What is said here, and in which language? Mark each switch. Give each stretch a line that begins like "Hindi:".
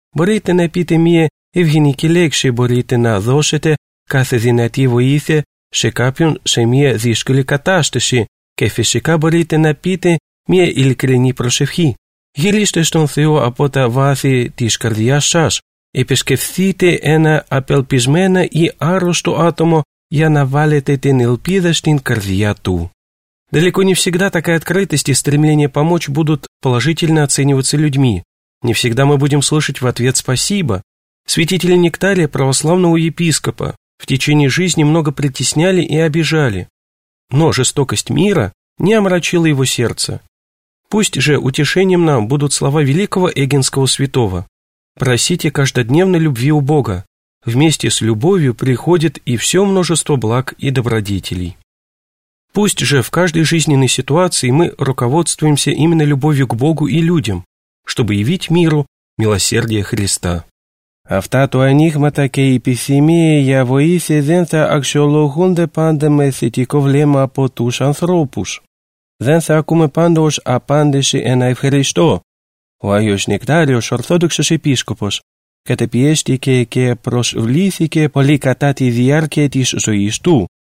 Greek: Μπορείτε να πείτε μία ευγενική λέξη, μπορείτε να δώσετε κάθε δυνατή βοήθεια σε κάποιον σε μια δύσκολη κατάσταση και φυσικά μπορείτε να πείτε μια ειλικρινή προσευχή. Γυρίστε στον Θεό από τα βάθη της καρδιάς σας. Επισκεφθείτε ένα απελπισμένο ή άρρωστο άτομο για να βάλετε την ελπίδα στην καρδιά του.
Russian: Далеко не всегда такая открытость и стремление помочь будут положительно оцениваться людьми. Не всегда мы будем слышать в ответ «спасибо». Святитель Нектария православного епископа в течение жизни много притесняли и обижали. Но жестокость мира не омрачила его сердце. Пусть же утешением нам будут слова великого Эгинского святого. «Просите каждодневной любви у Бога. Вместе с любовью приходит и все множество благ и добродетелей». Пусть же в каждой жизненной ситуации мы руководствуемся именно любовью к Богу и людям, чтобы явить миру милосердие Христа.
Greek: Αυτά τα ανοίγματα και οι επιθυμίες για βοήθεια δεν θα αξιολογούνται πάντα με θετικό βλέμμα από τους ανθρώπους. Δεν θα ακούμε πάντα ως απάντηση ένα ευχαριστώ. Ο Άγιος Νεκτάριος, Ορθόδοξος Επίσκοπος, καταπιέστηκε και προσβλήθηκε πολύ κατά τη διάρκεια της ζωής του.